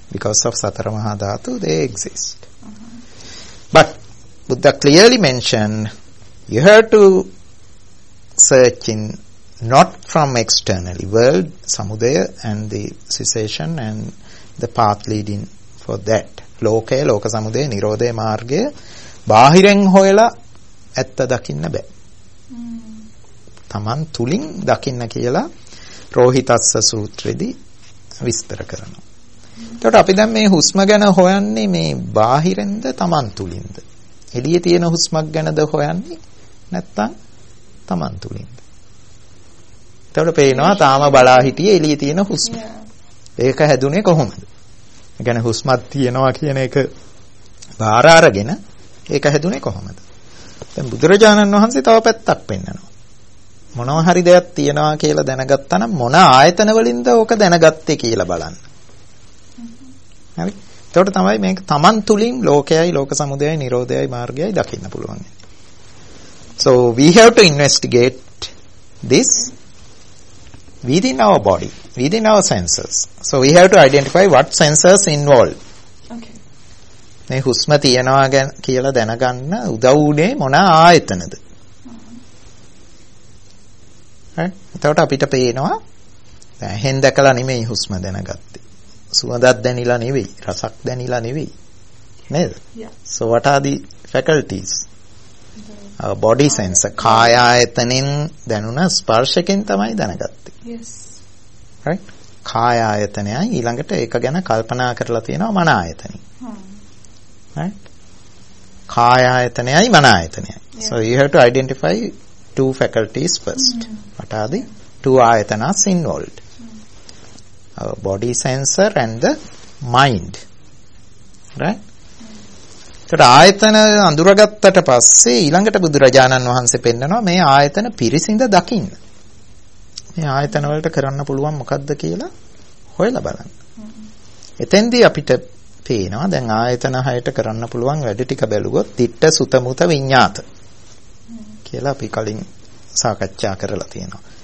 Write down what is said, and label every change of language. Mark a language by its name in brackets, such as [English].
[English] Because of Satara Mahadhatu, they exist. Uh-huh. But Buddha clearly mentioned, you have to search in, not from externally, world, samudaya, and the cessation, and the path leading for that. [Sinhala] ලෝකේ ලෝක සමුදේ නිරෝධේ මාර්ගය බාහිරෙන් හොයලා ඇත්ත දකින්න බෑ. තමන් තුලින් දකින්න කියලා රෝහිතස්ස සූත්‍රෙදී විස්තර කරනවා. එතකොට අපි දැන් මේ හුස්ම ගැන හොයන්නේ මේ බාහිරෙන්ද තමන් තුලින්ද? එළියේ තියෙන හුස්මක් ගැනද හොයන්නේ නැත්නම් තමන් තුලින්ද? එතකොට පේනවා තාම බලා හිටියේ එළියේ තියෙන හුස්ම. ඒක හැදුනේ කොහොමද? ගැන හුස්මත් තියෙනවා කියන එක බාර අරගෙන ඒක හැදුනේ කොහමද? දැන් බුදුරජාණන් වහන්සේ තව පැත්තක් පෙන්නනවා. මොනවා හරි දෙයක් තියෙනවා කියලා දැනගත්තා නම් මොන ආයතන වලින්ද ඕක දැනගත්තේ කියලා බලන්න. හරි. එතකොට තමයි මේක තමන් තුලින් ලෝකයයි ලෝක සමුදයයි නිරෝධයයි මාර්ගයයි දකින්න පුළුවන්. [English] So we have to investigate this within our body, within our senses. So we have to identify what senses involved. Okay. [Sinhala] මේ හුස්ම තියනවා ගැන කියලා දැනගන්න උදව් උනේ මොන ආයතනද? හරි. එතකොට අපිට පේනවා දැන් හෙන් දැකලා නෙමෙයි හුස්ම දැනගත්තේ. සුවඳක් දැනිලා නෙවෙයි, රසක් දැනිලා නෙවෙයි. නේද? [English] Yeah. So what are the faculties? Our body sense, [Sinhala] කාය ආයතනෙන් දැනුණ ස්පර්ශකෙන් තමයි දැනගත්තේ. [English] Yes. Right? [Sinhala] කාය ආයතනය ඊළඟට ඒක ගැන කල්පනා කරලා තියෙනවා මන ආයතනෙ. [English] Right? [Sinhala] කාය ආයතනයයි මන ආයතනයයි. [English] So you have to identify two faculties first. What are the two ayatanas involved? Our body sensor and the mind. Right? [Sinhala] එතකොට ආයතන අඳුරගත්තට පස්සේ ඊළඟට බුදුරජාණන් වහන්සේ පෙන්නනවා මේ ආයතන පිරිසිඳ දකින්න. මේ ආයතන වලට කරන්න පුළුවන් මොකද්ද කියලා හොයලා බලන්න. එතෙන්දී අපිට පේනවා දැන් ආයතන හයට කරන්න පුළුවන් වැඩ ටික බැලුවොත් [Pali] ditta suta muta viññāta [Sinhala] කියලා අපි කලින් සාකච්ඡා කරලා තියෙනවා.